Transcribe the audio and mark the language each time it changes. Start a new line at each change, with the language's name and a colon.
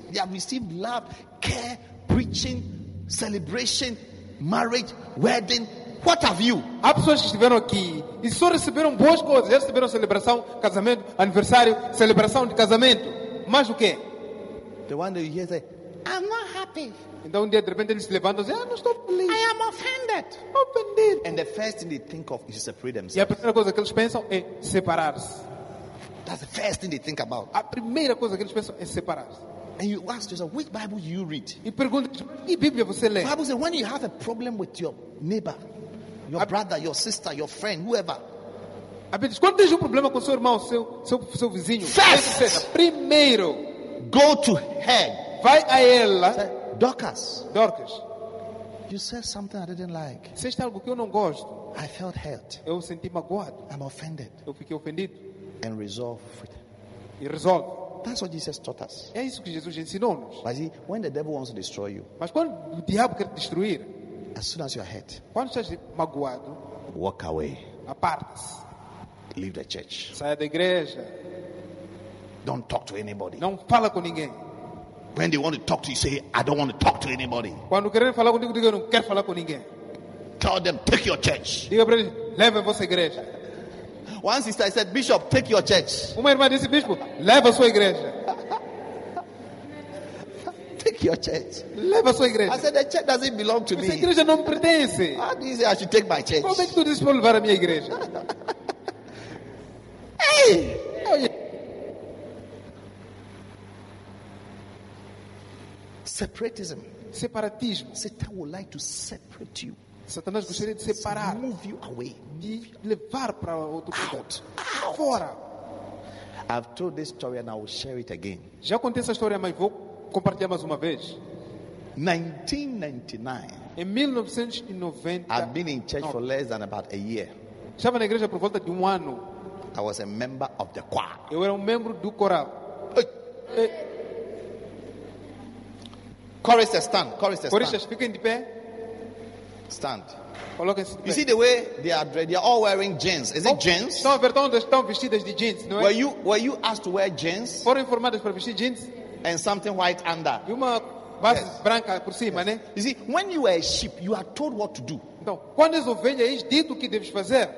English: They have received love, care, preaching, celebration, marriage, wedding. What have you?
Portuguese: Há pessoas que estiveram aqui e só receberam boas coisas. Eles receberam celebração, casamento, aniversário, celebração de casamento. Mas o quê?
English: The one that you hear say, I'm not happy.
Portuguese: Então um dia de repente eles se levantam e dizem, ah, não estou feliz.
English: I am offended. Offended. And the first thing they think of is to separate themselves.
Portuguese: E a primeira coisa que eles pensam é separar-se.
English: That's the first thing they think about.
Portuguese: A primeira coisa que eles pensam é separar-se.
English: And you ask yourself, which Bible do you read?
Portuguese: E pergunta, que Bíblia você lê?
English: The Bible says, when you have a problem with your neighbor, your brother, your sister, your friend, whoever.
Portuguese: A Bíblia diz, quando tens um problema com seu irmão, seu vizinho,
English: first,
Portuguese: primeiro,
English: go to her.
Portuguese: Vai a ela.
English: Dorcas. You said something I didn't like.
Portuguese: Disseste algo que eu não gosto.
English: I felt hurt.
Portuguese: Eu senti magoado.
English: I'm offended.
Portuguese: Eu fiquei ofendido.
English: And resolve it.
Portuguese: E resolve.
English: That's what Jesus taught us.
Portuguese: É isso que Jesus ensinou-nos. Mas
English: when the devil wants to destroy you.
Portuguese: Mas quando o diabo quer te destruir.
English: As soon as you are hurt.
Portuguese: Quando estás magoado.
English: Walk away.
Portuguese: Aparta-se.
English: Leave the church.
Portuguese: Saia da igreja.
English: Don't talk to anybody.
Portuguese: Não fala com ninguém.
English: When they want to talk to you, say, I don't want to talk to anybody.
Portuguese: Quando querem falar contigo, diga, não quero falar com ninguém.
English: Tell them, take your church.
Portuguese: Diga para eles, leve a vossa igreja.
English: One sister said, Bishop, take your church.
Portuguese: Uma irmã disse, Bispo, leve a sua igreja.
English: Take your church.
Portuguese: Leva a sua igreja.
English: I said, the church doesn't belong to me.
Portuguese: Essa igreja não pertence.
English: I said, I should take my church.
Portuguese: Como é que tu dizes para levar a minha igreja?
English: Hey! Separatism.
Portuguese: Separatismo.
English: Satan would like to separate you.
Portuguese: Satanás gostaria de separar.
English: Move you away.
Portuguese: De levar para outro
English: out.
Portuguese: Fora.
English: I've told this story and I will share it again.
Portuguese: Já contei essa história, mas vou compartilhar mais uma vez.
English: 1999.
Portuguese: Em 1990.
English: I've been in church for less than about a year.
Portuguese: Estava na igreja por volta de um ano.
English: I was a member of the choir.
Portuguese: Eu era membro do coral.
English: Choristers, stand. Choristers, Choristers, speak in the pé. Stand. You see the way they are dressed? They are all wearing jeans. Is it jeans?
Portuguese: Estão vertendo, estão vestidas de jeans, não é?
English: Were you asked to wear jeans?
Portuguese: Foram informadas para vestir jeans.
English: And something white under.
Portuguese: E uma base branca por cima, né?
English: You see, when you are a sheep, you are told what to do.
Portuguese: Então, quando és ovelha, és dito o que deves fazer.